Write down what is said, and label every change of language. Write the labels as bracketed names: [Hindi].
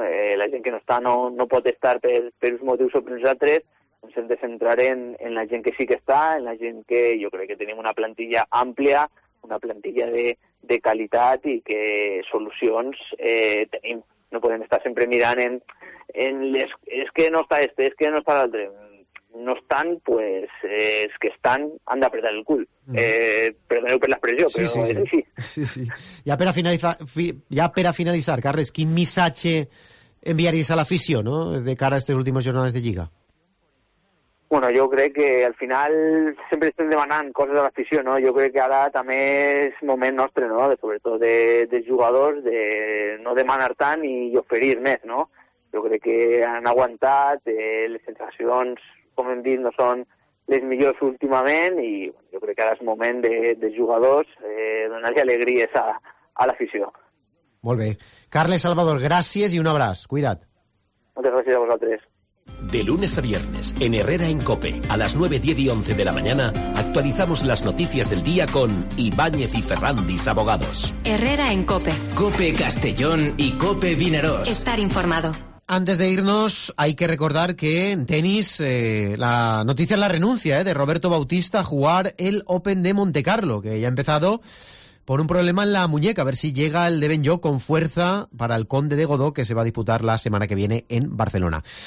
[Catalan] La gent que no està no pot estar per uns motius o per uns altres, ens hem de centrar en la gent que sí que està, en la gent que jo crec que tenim una plantilla àmplia, una plantilla de qualitat i que solucions tenim. No podem estar sempre mirant [Spanish] es que no está este, es que no está el otro. No están, pues es que están, han de apretar el cul. Primero que la presión, pero sí. Ya para finalizar, Carles, ¿quin missatge enviaríais a la afició, no?, de cara a estas últimas jornadas de Lliga? Bueno, yo creo que al final siempre estén demandando cosas a la afició, ¿no? Yo creo que ahora también es momento nuestro, ¿no?, de, sobre todo de jugadores, de no demandar tan y oferir más, ¿no? Yo creo que han aguantado, las sensaciones, [Catalan] como hem dit, no són les millors últimament i bueno, jo crec que ara és moment de jugadors donar-li alegries a l'afició. Molt bé. Carles Salvador, gràcies i un abraç. Cuida't. Moltes gràcies a vosaltres. [Spanish] De lunes a viernes, en Herrera en COPE, a las 9, 10 y 11 de la mañana, actualizamos las noticias del día con Ibáñez y Ferrandis Abogados. Herrera en COPE. COPE Castellón y COPE Vinaròs. Estar informado. Antes de irnos, hay que recordar que en tenis la noticia es la renuncia de Roberto Bautista a jugar el Open de Monte Carlo, que ya ha empezado por un problema en la muñeca, a ver si llega el de Benjó con fuerza para el Conde de Godó, que se va a disputar la semana que viene en Barcelona.